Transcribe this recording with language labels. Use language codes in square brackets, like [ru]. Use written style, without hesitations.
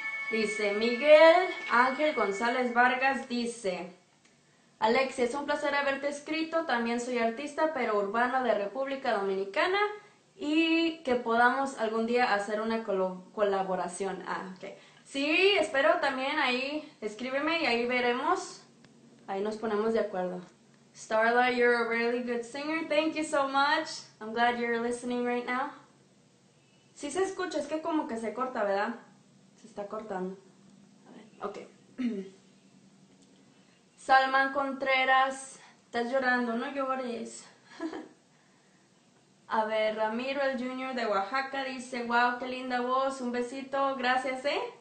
[es] Dice, Miguel Ángel González Vargas dice, Alexia, es un placer haberte escrito, también soy artista, pero urbano de República Dominicana, y que podamos algún día hacer una colaboración. Ah, ok. Sí, espero también ahí, escríbeme y ahí veremos, ahí nos ponemos de acuerdo. [en] Starla, you're a really good singer. Thank you so much. I'm glad you're listening right now. [es] Sí se escucha, es que como que se corta, ¿verdad? Se está cortando. A ver, ok. Salman Contreras, estás llorando, no llores. A ver, Ramiro el Junior de Oaxaca dice, wow, qué linda voz, un besito, gracias, ¿eh?